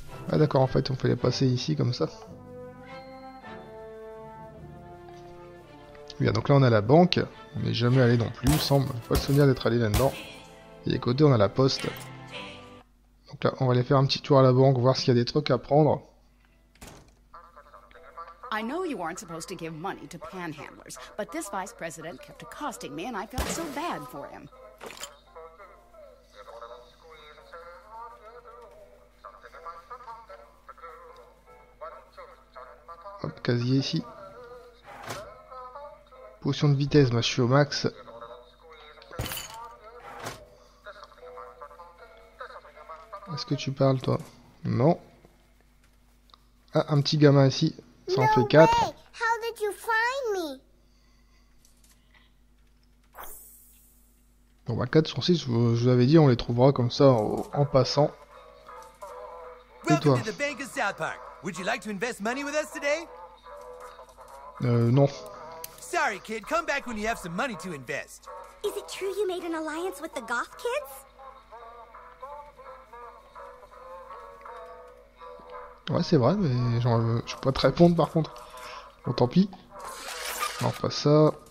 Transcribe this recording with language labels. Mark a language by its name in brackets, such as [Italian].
[French] Ah d'accord, en fait, on fallait passer ici comme ça. Bien, donc là on a la banque, on n'est jamais allé non plus, semble pas le souvenir d'être allé là-dedans. Et à côté, on a la poste. Donc là, on va aller faire un petit tour à la banque, voir s'il y a des trucs à prendre. [English] I know you aren't supposed to give money to panhandlers, but this vice president kept accosting me and I felt so bad for him. [French] Hop, casier ici. Potion de vitesse, bah, je suis au max. Est-ce que tu parles, toi? Non. Ah, un petit gamin ici. Ça en fait 4. [English] How did you find me? [French] Bon bah 4 sur 6, je vous avais dit, on les trouvera comme ça en passant. Et toi? [English] Would you like to invest money with us today? [French] Non. [English] Sorry kid, come back when you have some money to invest. Is it true you made an alliance with the goth kids? [French] Ouais, c'est vrai, mais je peux pas te répondre par contre. Bon, tant pis. Non, pas ça.